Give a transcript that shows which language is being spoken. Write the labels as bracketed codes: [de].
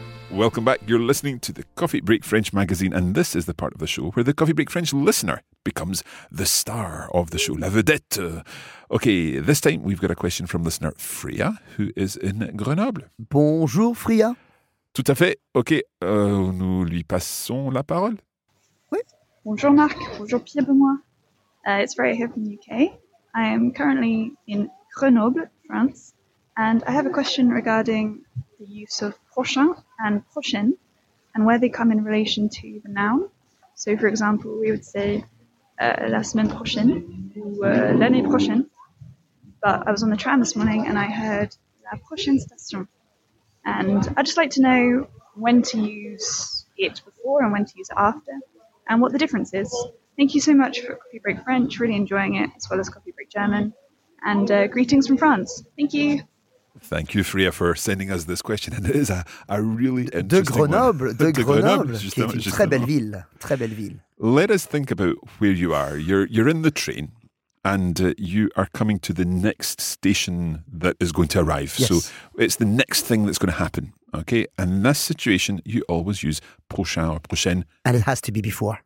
[en] Welcome back. You're listening to the Coffee Break French magazine, and this is the part of the show where the Coffee Break French listener becomes the star of the show, [fr] la vedette. [en] Okay, this time we've got a question from listener Freya, who is in Grenoble. [fr] Bonjour, Freya. Tout à fait. Okay, nous lui passons la parole. Oui. Bonjour, Marc. Bonjour, Pierre Benoît. [en] It's Freya here from the UK. I am currently in Grenoble, France, and I have a question regarding the use of prochain and prochaine, and where they come in relation to the noun. So, for example, we would say [fr] la semaine prochaine ou l'année prochaine. [en] But I was on the tram this morning and I heard [fr] la prochaine station. [en] And I'd just like to know when to use it before and when to use it after, and what the difference is. Thank you so much for Coffee Break French, really enjoying it, as well as Coffee Break German. And greetings from France. Thank you. Thank you, Freya, for sending us this question. And it is a really interesting [fr] De Grenoble, [en] one. [fr] De Grenoble, qui est une très belle ville. Très belle ville. [en] Let us think about where you are. You're in the train, and you are coming to the next station that is going to arrive. Yes. So it's the next thing that's going to happen. Okay. And in this situation, you always use prochain or prochaine. And it has to be before.